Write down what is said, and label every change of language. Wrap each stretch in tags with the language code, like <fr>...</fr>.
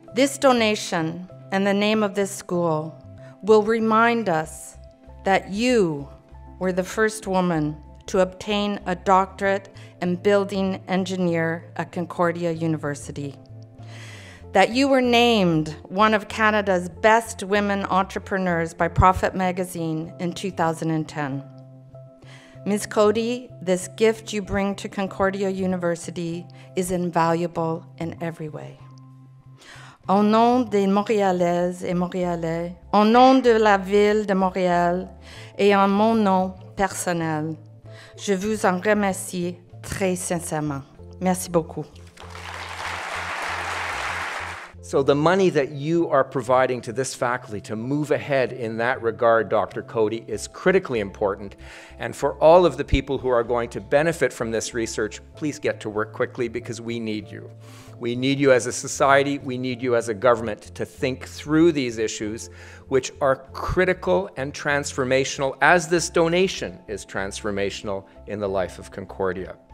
<en>This donation and the name of this school will remind us that you were the first woman to obtain a doctorate and building engineer at Concordia University, that you were named one of Canada's best women entrepreneurs by Profit Magazine in 2010. Ms. Cody, this gift you bring to Concordia University is invaluable in every way.</en> <fr>Au nom des Montréalaises et Montréalais, au nom de la ville de Montréal et en mon nom personnel, je vous en remercie très sincèrement. Merci beaucoup.</fr> <en>So the money that you are providing to this faculty to move ahead in that regard, Dr. Cody, is critically important. And for all of the people who are going to benefit from this research, please get to work quickly because we need you. We need you as a society, we need you as a government to think through these issues, which are critical and transformational, as this donation is transformational in the life of Concordia.</en>